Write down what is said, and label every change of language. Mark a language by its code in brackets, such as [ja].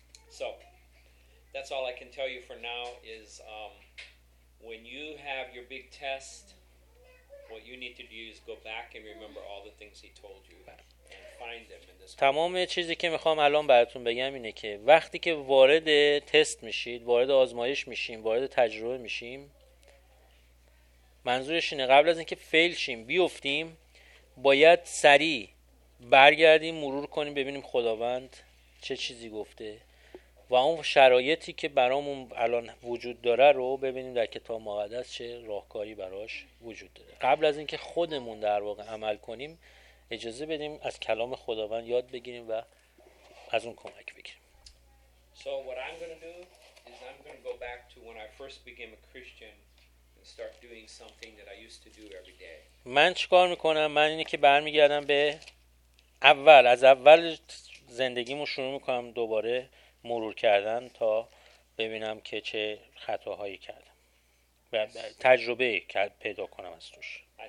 [en] So that's all I can tell you for now is when you have your big test, what you need to do is go back and remember all the things he told you and find them in this. [fa] تمام چیزی که میخوام الان براتون بگم اینه که وقتی که وارد تست میشید، وارد آزمایش میشیم، وارد تجربه میشیم، منظورش اینه قبل از اینکه فیل شیم، بیفتیم، باید سریع برگردیم، مرور کنیم، ببینیم خداوند چه چیزی گفته و اون شرایطی که برامون الان وجود داره رو ببینیم در کتاب مقدس چه راهکاری براش وجود داره. قبل از اینکه خودمون در واقع عمل کنیم، اجازه بدیم از کلام خداوند یاد بگیریم و از اون کمک بگیریم. [en] So what I'm going to do is I'm going to go back to when I first became a Christian and start doing something that I used to do every day. [fa] من چیکار میکنم؟ من اینه که برمیگردم به اول، از اول زندگیمو شروع میکنم دوباره مرور کردن تا ببینم که چه خطاهایی کردم و تجربه پیدا کنم از توش.